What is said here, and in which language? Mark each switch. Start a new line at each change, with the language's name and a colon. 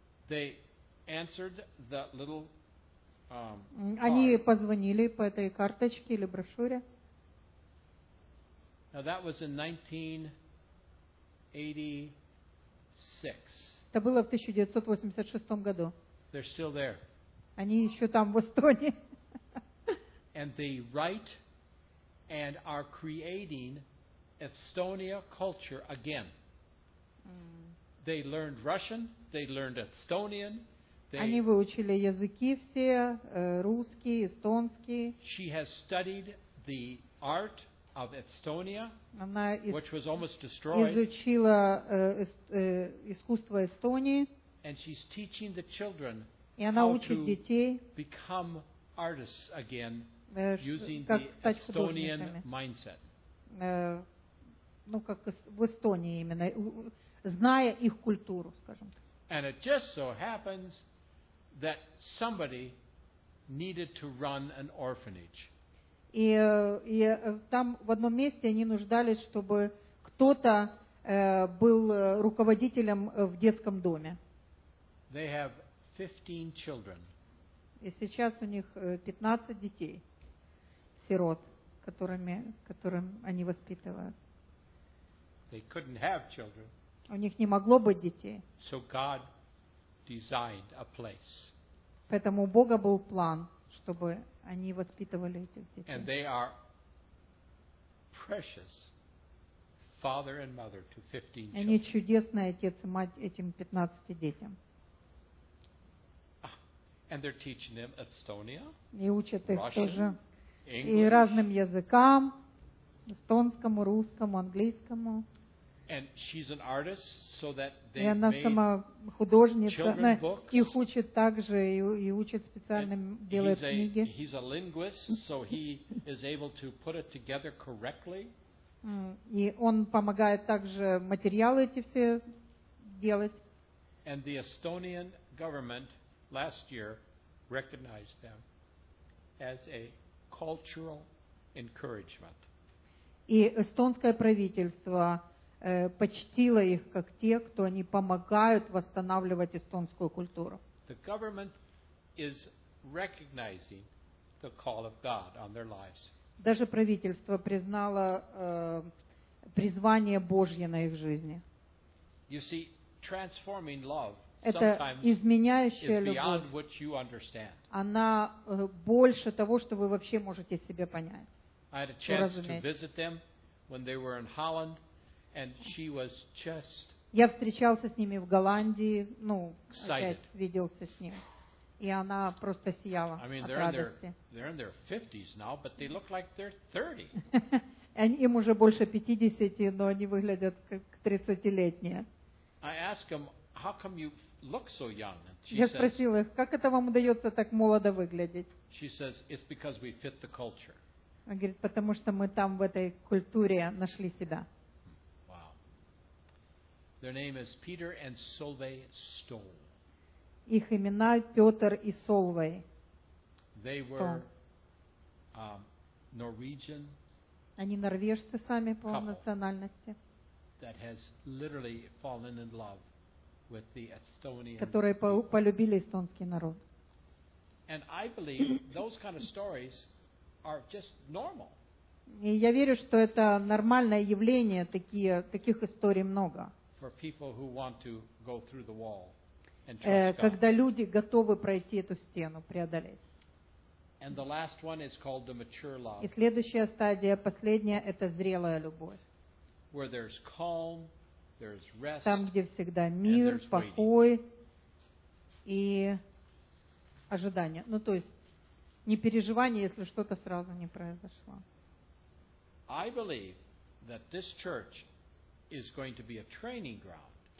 English: They answered the little,
Russian: они позвонили по этой карточке или брошюре.
English: Now that was in 1986.
Russian: Это было в 1986 году.
English: They're still there.
Russian: Они еще там в Эстонии.
English: And they write and are creating Estonia culture again. They learned Russian, they learned Estonian.
Russian: Они выучили языки все, русский, эстонский.
English: She has studied the art of Estonia, which was almost destroyed.
Russian: Изучила искусство Эстонии.
English: And she's teaching the children how to become artists again using the Estonian mindset.
Russian: Как в Эстонии именно, зная их культуру, скажем так.
English: And it just so happens that somebody needed to run an orphanage.
Russian: И там в одном месте они нуждались, чтобы кто-то был руководителем в детском доме.
English: They have 15 children.
Russian: И сейчас у них 15 детей, сирот, которым они воспитывают.
English: They couldn't have children.
Russian: У них не могло быть детей.
English: So God designed a place.
Russian: Поэтому у Бога был план, чтобы они воспитывали этих детей.
English: And they are precious father and mother to 15 children.
Russian: Они чудесные отец и мать этим 15 детям.
English: And they're teaching them Estonia,
Russian: и учат их
English: Russian,
Russian: тоже
English: English.
Russian: И разным языкам, эстонскому, русскому, английскому.
English: And she's an artist, so that they made children's books.
Russian: Их учит также и учит специальным, делает книги.
English: He's a linguist, so he is able to put it together correctly.
Russian: И он помогает также материалы эти все делать.
English: And the Estonian government last year recognized them as a cultural encouragement.
Russian: И эстонское правительство почтила их как те, кто они помогают восстанавливать эстонскую культуру.
English: The government is recognizing the call of God on their lives.
Russian: Даже правительство признало призвание Божье на их жизни.
English: You see, transforming love sometimes is beyond what you understand.
Russian: Она больше того, что вы вообще можете себе понять.
English: I had a chance to visit them when they were in Holland. And she was just
Russian: Я встречался с ними в Голландии, опять виделся с ним. И она просто сияла от радости.
English: They're in their 50s now, but they look like they're 30.
Russian: Им уже больше 50, но они выглядят как 30-летние.
English: I ask them, how come you look so young?
Russian: Я спросил их, как это вам удается так молодо выглядеть?
English: She says, it's because we fit the culture.
Russian: Она говорит, потому что мы там в этой культуре нашли себя.
English: Their name is Peter and Solveig Stoll.
Russian: Их имена Петр и Солвей.
English: They were Norwegian.
Russian: Они норвежцы сами по национальности.
English: That has literally fallen in love with the Estonian.
Russian: Которые полюбили эстонский народ.
English: And I believe those kind of stories are just normal.
Russian: И я верю, что это нормальное явление, таких историй много.
English: For people who want to go through the wall and trust God.
Russian: Когда люди готовы пройти эту стену, преодолеть.
English: And the last one is called the mature love.
Russian: И следующая стадия, последняя, это зрелая любовь.
English: Where there's calm, there's rest.
Russian: Там, где всегда мир, покой и ожидание. То есть не переживание, если что-то сразу не произошло.
English: I believe that this church is going to be a training ground.